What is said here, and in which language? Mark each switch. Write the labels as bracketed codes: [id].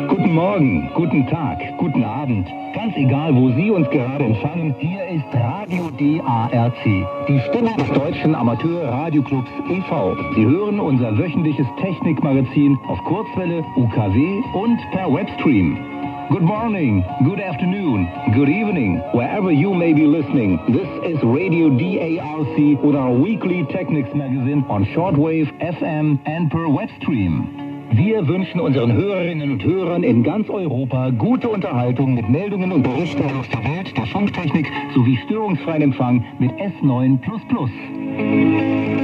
[de] Morgen, guten Tag, guten Abend. Ganz egal, wo Sie uns gerade empfangen, hier ist Radio DARC, die Stimme des deutschen Amateur-Radioclubs e.V. Sie hören unser wöchentliches Technikmagazin auf Kurzwelle, UKW und per Webstream. [en] Good morning, good afternoon, good evening, wherever you may be listening. This is Radio DARC with our weekly Technics Magazine on Shortwave, FM and per Webstream. [de] Wir wünschen unseren Hörerinnen und Hörern in ganz Europa gute Unterhaltung mit Meldungen und Berichten aus der Welt der Funktechnik sowie störungsfreien Empfang mit S9++.